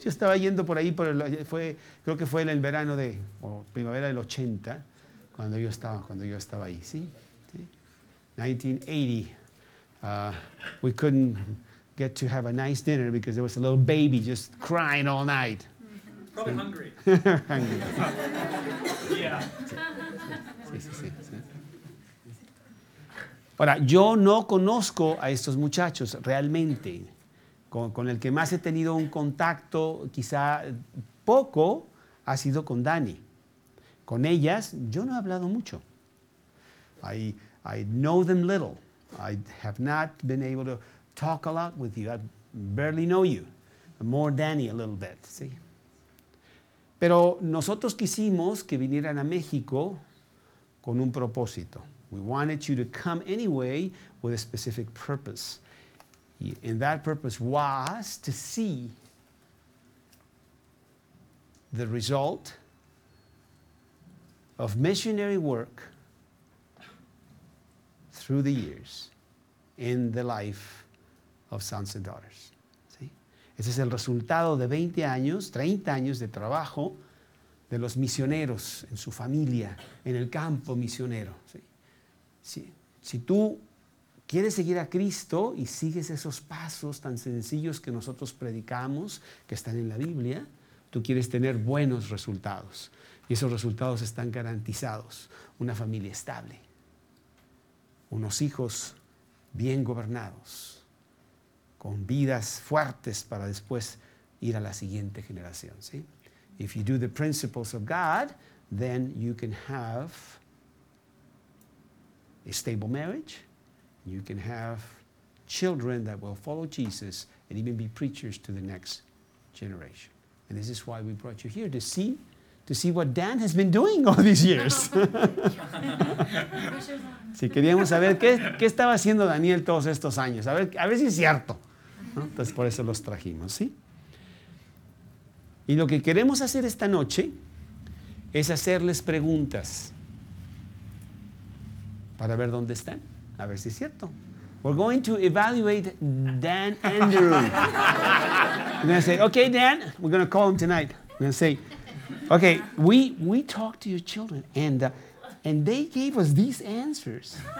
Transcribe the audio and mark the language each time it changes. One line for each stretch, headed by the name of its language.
Spanish: Yo estaba yendo por ahí, creo que fue en el verano de, o primavera del 80, cuando yo estaba ahí, ¿sí?
English: 1980, we couldn't get to have a nice dinner because there was a little baby just crying all night. Probably hungry. Hungry. Yeah.
Spanish: Sí, sí, sí, sí. Ahora, yo no conozco a estos muchachos realmente. Con el que más he tenido un contacto, quizá poco, ha sido con Dani. Con ellas, yo no he hablado mucho.
English: I know them little. I have not been able to talk a lot with you. I barely know you. More Danny a little bit, ¿sí?
Spanish: Pero nosotros quisimos que vinieran a México con un propósito.
English: We wanted you to come anyway with a specific purpose. And that purpose was to see the result of missionary work through the years in the life of sons and daughters.
Spanish: ¿Sí? Ese es el resultado de 20 años, 30 años de trabajo de los misioneros en su familia, en el campo misionero. ¿Sí? ¿Sí? Si tú quieres seguir a Cristo y sigues esos pasos tan sencillos que nosotros predicamos, que están en la Biblia, tú quieres tener buenos resultados. Y esos resultados están garantizados. Una familia estable, unos hijos bien gobernados, con vidas fuertes para después ir a la siguiente generación. ¿Sí?
English: If you do the principles of God, then you can have a stable marriage. You can have children that will follow Jesus and even be preachers to the next generation. And this is why we brought you here, to see what Dan has been doing all these years.
Spanish: Sí, queríamos saber qué estaba haciendo Daniel todos estos años. A ver si es cierto. ¿No? Entonces, por eso los trajimos, ¿sí? Y lo que queremos hacer esta noche es hacerles preguntas para ver dónde están. A ver si es cierto.
English: We're going to evaluate Dan Andrew. We're going to say, okay, Dan, we're going to call him tonight. We're going to say, okay, we talked to your children, and they gave us these answers.